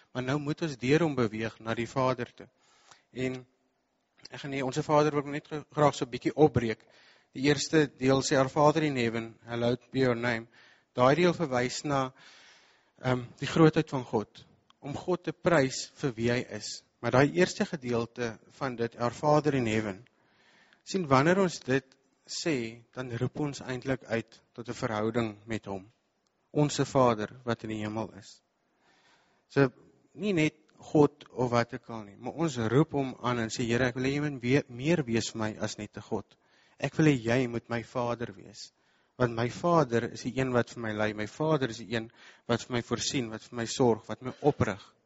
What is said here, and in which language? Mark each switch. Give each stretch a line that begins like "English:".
Afrikaans: Maar nou moet ons deur hom beweeg na die Vader toe. En, ek gaan nie, onse Vader wil net graag so bietjie opbreek. Die eerste deel sê,
English: our Father in heaven, hallowed be your name.
Afrikaans: Daai deel verwys na die grootheid van God, om God te prys vir wie hy is. Maar die eerste gedeelte van dit,
English: our Father in heaven,
Afrikaans: sien, wanneer ons dit sê, dan roep ons eindelijk uit tot een verhouding met hom, onse Vader, wat in die hemel is. So, nie net God of wat ek al nie, maar ons roep hom aan en sê, Here, ek wil jy meer wees vir my as net die God. Ek wil jy moet my Vader wees, want my Vader is die een wat vir my lei, my Vader is die een wat vir my voorsien, wat vir my sorg, wat my oprig.